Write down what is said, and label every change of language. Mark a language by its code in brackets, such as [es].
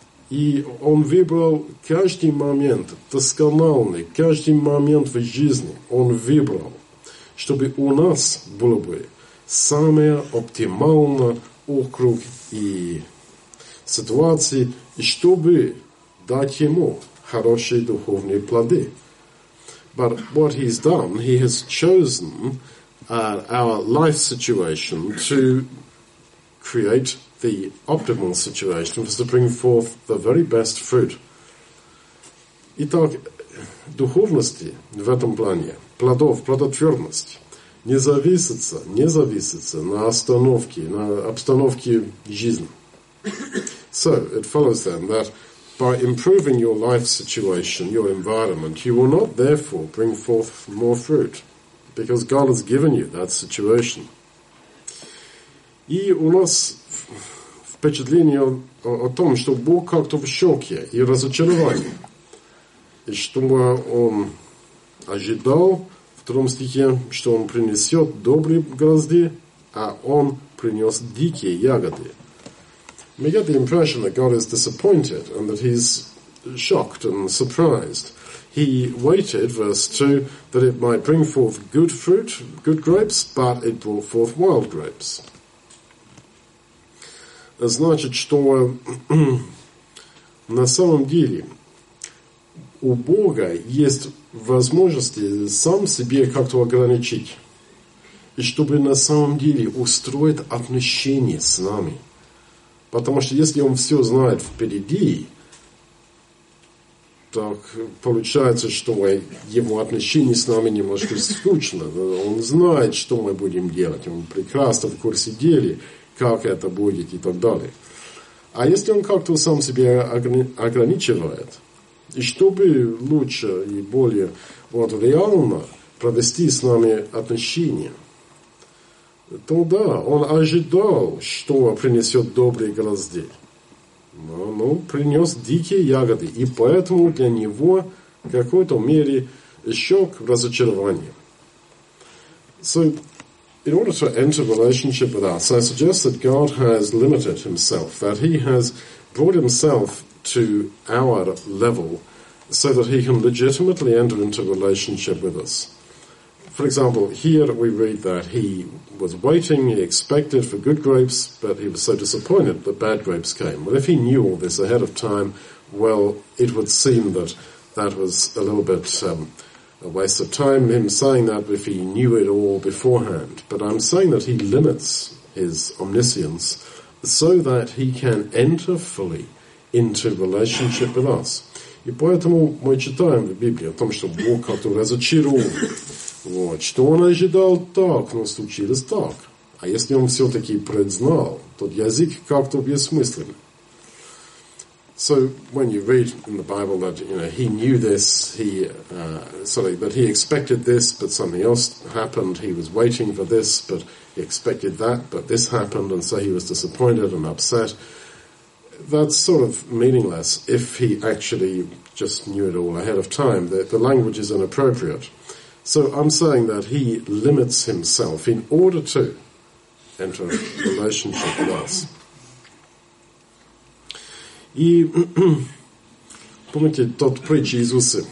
[ru] И он выбрал каждый момент доскональный, каждый момент в жизни он выбрал, чтобы у нас было бы самое оптимальное округ и ситуации, и чтобы дать ему хорошие духовные плоды. [en] But what he's done, he has chosen our life situation to create the optimal situation was to bring forth the very best fruit. [ru] Итак, духовности в этом плане, плодов, плодотворности, не зависится на остановке, на обстановке жизни. [en] So, it follows then that by improving your life situation, your environment, you will not therefore bring forth more fruit, because God has given you that situation. [ru] И у нас впечатление о том, что Бог как-то в шоке и разочаровании. И что он ожидал в втором стихе, что он принесет добрые грозди, а он принес дикие ягоды. [en] We get the impression that God is disappointed and that he's shocked and surprised. He waited, verse 2, that it might bring forth good fruit, good grapes, but it brought forth wild grapes. [ru] Значит, что на самом деле у Бога есть возможности сам себе как-то ограничить, и чтобы на самом деле устроить отношения с нами. Потому что если он все знает впереди, так получается, что его отношения с нами немножко скучно. Он знает, что мы будем делать, он прекрасно в курсе дела, как это будет и так далее. А если он как-то сам себя ограничивает, и чтобы лучше и более вот, реально провести с нами отношения, то да, он ожидал, что принесет добрые грозди. Но он принес дикие ягоды, и поэтому для него в какой-то мере шок, разочарование. [en] So, in order to enter relationship with us, I suggest that God has limited himself, that he has brought himself to our level so that he can legitimately enter into relationship with us. For example, here we read that he was waiting, he expected for good grapes, but he was so disappointed that bad grapes came. Well, if he knew all this ahead of time, well, it would seem that that was a little bit a waste of time, him saying that if he knew it all beforehand. But I'm saying that he limits his omniscience so that he can enter fully into relationship with us. [ru] И поэтому мы читаем в Библии о том, что Бог как-то разочаровал. Вот. Что он ожидал так, но случилось так. А если он все-таки признал, тот язык как-то бессмыслен. [en] So when you read in the Bible that you know he knew this, but he expected this, but something else happened. He was waiting for this, but he expected that, but this happened, and so he was disappointed and upset. That's sort of meaningless if he actually just knew it all ahead of time. The language is inappropriate. So I'm saying that he limits himself in order to enter a relationship with us. [ru] И помните тот притч Иисуса?